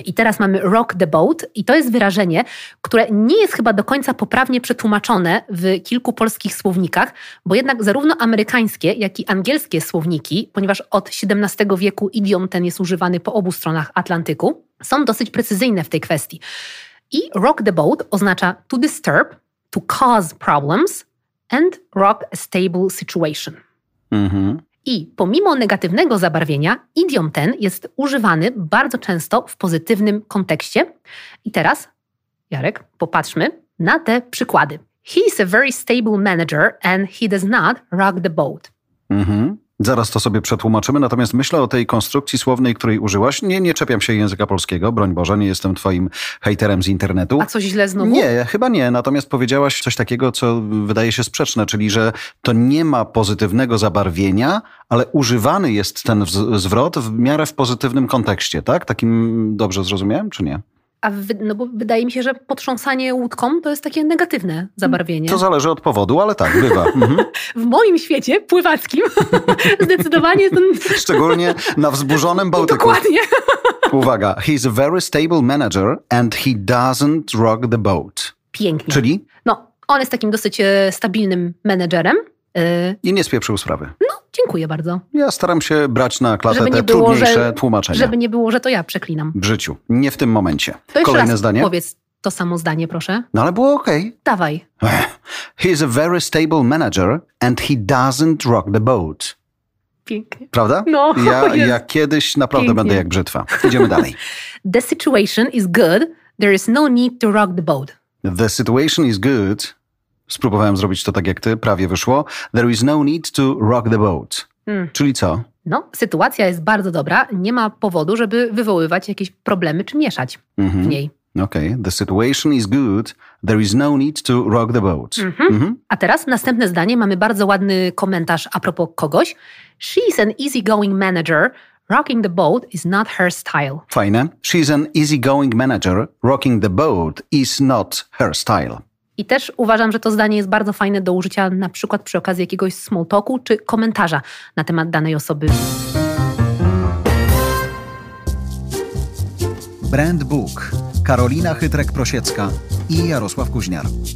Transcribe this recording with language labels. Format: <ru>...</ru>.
<pl>I teraz mamy rock the boat i to jest wyrażenie, które nie jest chyba do końca poprawnie przetłumaczone w kilku polskich słownikach, bo jednak zarówno amerykańskie, jak i angielskie słowniki, ponieważ od XVII wieku idiom ten jest używany po obu stronach Atlantyku, są dosyć precyzyjne w tej kwestii.</pl> <en>I rock the boat</en> <pl>oznacza</pl> <en>to disturb, to cause problems and rock a stable situation. Mhm.</en> <pl>I pomimo negatywnego zabarwienia, idiom ten jest używany bardzo często w pozytywnym kontekście. I teraz, Jarek, popatrzmy na te przykłady.</pl> <en>He is a very stable manager and he does not rock the boat. Mm-hmm.</en> <pl>Zaraz to sobie przetłumaczymy, natomiast myślę o tej konstrukcji słownej, której użyłaś. Nie czepiam się języka polskiego, broń Boże, nie jestem twoim hejterem z internetu. A coś źle znowu? Nie, chyba nie, natomiast powiedziałaś coś takiego, co wydaje się sprzeczne, czyli że to nie ma pozytywnego zabarwienia, ale używany jest ten zwrot w miarę w pozytywnym kontekście, tak? Takim dobrze zrozumiałem, czy nie? No bo wydaje mi się, że potrząsanie łódką to jest takie negatywne zabarwienie. To zależy od powodu, ale tak, bywa. W moim świecie pływackim zdecydowanie... Szczególnie na wzburzonym Bałtyku. Dokładnie.</pl> <en>Uwaga, he's a very stable manager and he doesn't rock the boat.</en> <pl>Pięknie. Czyli? No, on jest takim dosyć stabilnym menedżerem. I nie spieprzył sprawy. No. Dziękuję bardzo. Ja staram się brać na klatę te trudniejsze tłumaczenia. Żeby nie było, że to ja przeklinam. W życiu. Nie w tym momencie. To kolejne zdanie. Powiedz to samo zdanie, proszę. No ale było okej. Okay. Dawaj.</pl> <en>He is a very stable manager and he doesn't rock the boat.</en> <pl>Pięknie. Prawda? No. Ja kiedyś naprawdę pięknie. Będę jak brzytwa. Idziemy dalej.</pl> <en>The situation is good. There is no need to rock the boat. The situation is good.</en> <pl>Spróbowałem zrobić to tak jak ty, prawie wyszło.</pl> <en>There is no need to rock the boat.</en> <pl>Hmm. Czyli co? No, sytuacja jest bardzo dobra. Nie ma powodu, żeby wywoływać jakieś problemy czy mieszać w niej. Okej.</pl> <en>Okay. The situation is good. There is no need to rock the boat. Mm-hmm. Mm-hmm.</en> <pl>A teraz następne zdanie. Mamy bardzo ładny komentarz a propos kogoś.</pl> <en>She is an easygoing manager. Rocking the boat is not her style.</en> <pl>Fajne.</pl> <en>She is an easygoing manager. Rocking the boat is not her style.</en> <pl>I też uważam, że to zdanie jest bardzo fajne do użycia na przykład przy okazji jakiegoś small talku czy komentarza na temat danej osoby. Brand Book, Karolina Chytrek-Prosiecka i Jarosław Kuźniar.</pl>